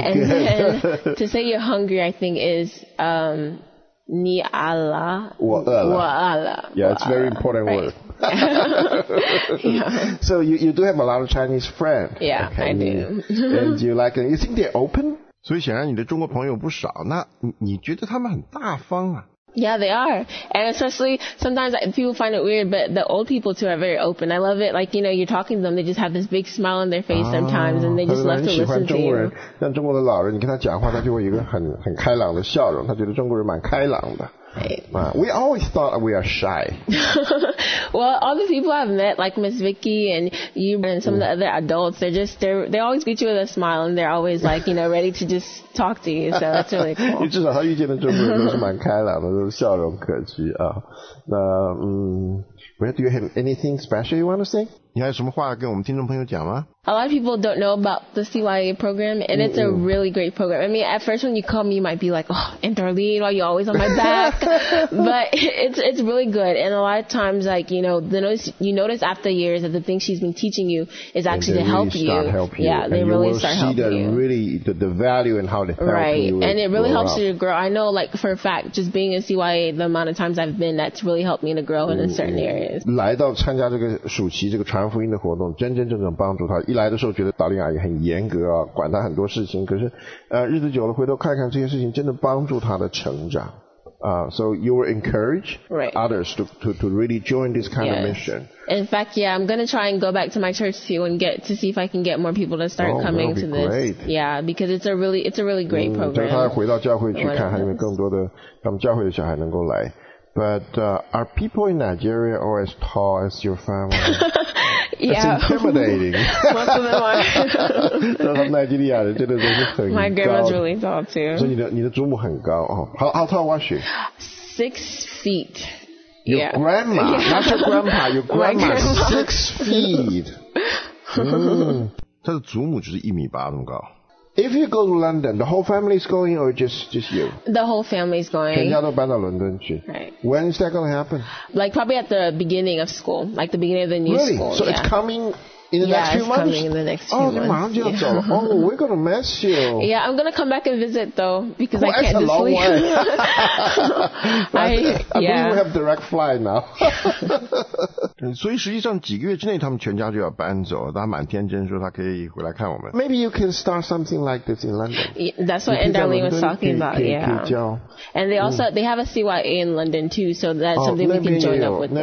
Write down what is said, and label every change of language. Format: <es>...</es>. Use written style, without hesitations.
<en>and good. Then, to say you're hungry, I think is ni ala. Wa ala. Yeah, it's very important word. Yeah. So you do have a lot of Chinese friends. Yeah, okay. I do. And you like them. You think they're open?</en> <zh>所以显然你的中国朋友不少，那你觉得他们很大方啊？</zh> <en>Yeah, they are. And especially sometimes people find it weird, but the old people too are very open. I love it. Like, you know, you're talking to them, they just have this big smile on their face sometimes, and they just love to listen to you.</en> <zh>很喜欢中国人，像中国的老人，你跟他讲话，他就会有一个很开朗的笑容，他觉得中国人蛮开朗的。</zh> <en>We always thought we are shy. Well, all the people I've met, like Miss Vicky and you and some of the other adults, they always greet you with a smile and they're always like, you know, ready to just talk to you. So that's really cool.</en> <zh>至少他遇见的中国人都是蛮开朗的，都是笑容可掬啊。</zh> <en>那Where do you have anything special you want to say?</en> <zh>你还有什么话跟我们听众朋友讲吗?</zh> <en>A lot of people don't know about the CYA program, and it's a really great program. I mean, at first when you call me, you might be like, oh, and Darlene, why are you always on my back? But it's really good. And a lot of times, like, you know, you notice after years that the thing she's been teaching you is actually to help you. Start helping you. Yeah, they really start helping you. And you will see the value in how they help you. Right, and it really helps you to grow. I know, like, for a fact, just being a CYA, the amount of times I've been, that's really helped me to grow in a certain area.</en> <zh>来到参加这个暑期这个传福音的活动，真真正正帮助他。一来的时候觉得达令阿姨很严格啊，管他很多事情，可是日子久了回头看看，这些事情真的帮助他的成长啊。</zh> <en>So you will encourage others to really join this kind of mission. In fact, yeah, I'm going to try and go back to my church too and get to see if I can get more people to start coming to this. Yeah, because it's a really great program.</en> <zh>等他回到教会去看，还有更多的他们教会的小孩能够来。</zh> <en>But are people in Nigeria all as tall as your family? Yeah. That's intimidating. Most of them are. My grandma's really tall too. So</en> <zh>你的祖母很高。</zh> <en>How tall was she? 6 feet. Your grandma? Yeah. Not your grandpa. Your grandma is 6 feet.</en> <zh>她的祖母就是一米八那么高。</zh> <en>If you go to London, the whole family is going or just you? The whole family is going.</en> <zh>全家都搬到伦敦去。</zh> <en>Right. When is that going to happen? Like probably at the beginning of school, like the beginning of the new school. Really? So it's coming in the next few months? Yeah, it's coming in the next few months. Oh,</en> <zh>你马上就要走了。</zh> <en>Oh, we're going to miss you. Yeah, I'm going to come back and visit though, because I can't just leave. Well, that's a long way. I believe we have direct flight now.</en> <zh>所以实际上几个月之内他们全家就要搬走，他蛮天真说他可以回来看我们。</zh> <en>Maybe you can start something like this in London. That's what Andarlene was talking about. Yeah. And they also they have a CYA in London too, so that's something we can join up with them.</en>